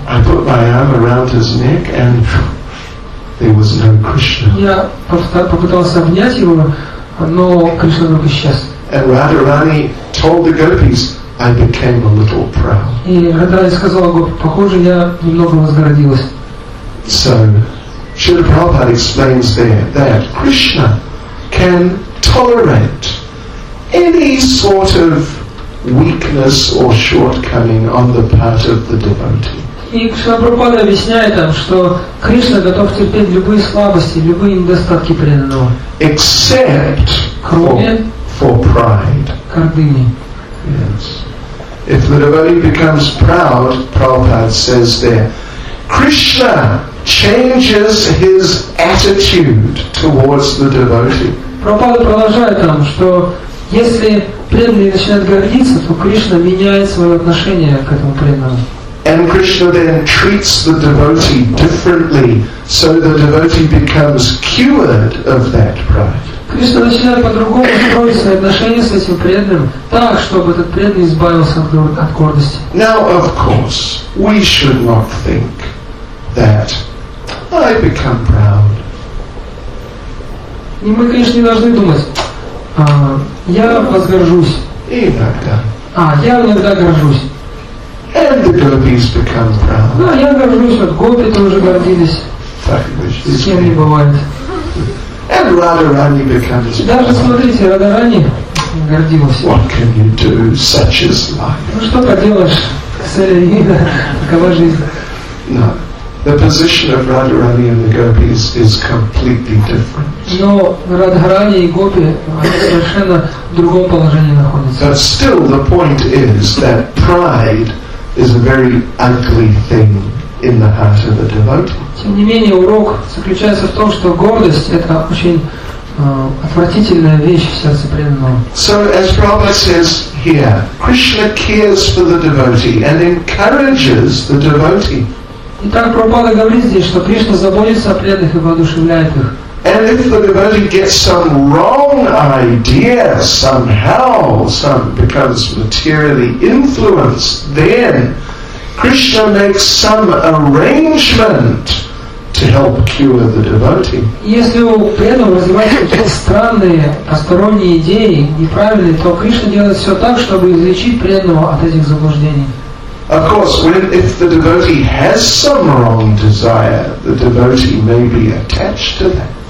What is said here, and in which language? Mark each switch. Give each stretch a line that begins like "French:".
English: I put my arm around his neck, and there was no Krishna.
Russian: Я попытался обнять его, но Кришна вдруг исчез.
English: And Radharani told the gopis, I became a little proud.
Russian: И Радхарани сказала, похоже, я немного возгородилась.
English: So, Śrīla Prabhupāda explains there that Krishna can tolerate any sort of weakness or shortcoming on the part of the devotee.
Russian: И Шрила Прабхупада объясняет там, что Кришна готов терпеть любые слабости, любые недостатки преданного.
English: Except for pride.
Russian: Гордыни.
English: Yes. If the devotee becomes proud, Prabhupada says there, Krishna changes his attitude towards the devotee.
Russian: Прабхупада продолжает там, что если преданный начинает гордиться, то Кришна меняет свое отношение к этому преданному.
English: And Krishna then treats the devotee differently, so the devotee becomes cured of that pride.
Russian: Кришна начинает по-другому строить свои отношения с этим преданным, так, чтобы этот преданный избавился от гордости.
English: Now, of course, we should not think that I become proud.
Russian: И мы, конечно, не должны думать, я возгоржусь. Иногда. Я иногда горжусь.
English: And the gopis become proud.
Russian: Да, я горжусь, вот гопи тоже гордились. Так, с кем не бывает.
English: And Radharani becomes proud.
Russian: Даже смотрите, Радхарани гордилась.
English: What can you do? Such is life.
Russian: Ну что поделаешь, Сарина, такова жизнь.
English: No. The position of Radharani and the gopis is completely different.
Russian: Но Радхарани и гопи совершенно в другом положении находятся.
English: But still the point is that pride is a very ugly thing in the heart of a devotee.
Russian: Тем не менее, урок заключается в том, что гордость — это очень отвратительная вещь в сердце преданного.
English: So as Prabhupada says here, Krishna cares for the devotee and encourages the devotee.
Russian: Итак, Прабхупада говорит здесь, что Кришна заботится о преданных и воодушевляет их.
English: And if the devotee gets some wrong idea somehow, becomes materially influenced, then Krishna makes some arrangement to help cure the devotee.
Russian: Если у преданного развиваются какие-то странные, посторонние идеи, неправильные, то Кришна делает все так, чтобы излечить преданного от этих заблуждений.
English: Of course, if the devotee has some wrong desire, the devotee may be attached to that.